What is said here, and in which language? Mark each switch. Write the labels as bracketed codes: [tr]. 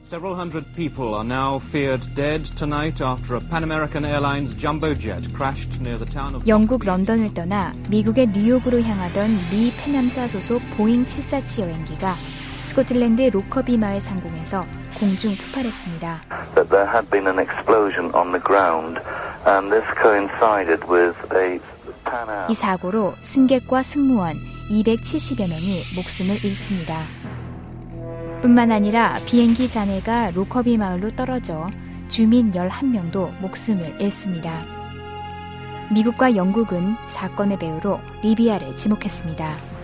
[en] Several hundred people are now feared dead tonight after a Pan American Airlines jumbo jet crashed near the town of [ko] 영국 런던을 떠나 미국의 뉴욕으로 향하던 미 폐남사 소속 보잉 747 여행기가 스코틀랜드 로커비 마을 상공에서 공중 폭발했습니다. [en] That there had been an explosion on the ground and this coincided with a [ko] 이 사고로 승객과 승무원 270여 명이 목숨을 잃습니다. 뿐만 아니라 비행기 잔해가 로커비 마을로 떨어져 주민 11명도 목숨을 잃습니다. 미국과 영국은 사건의 배후로 리비아를 지목했습니다.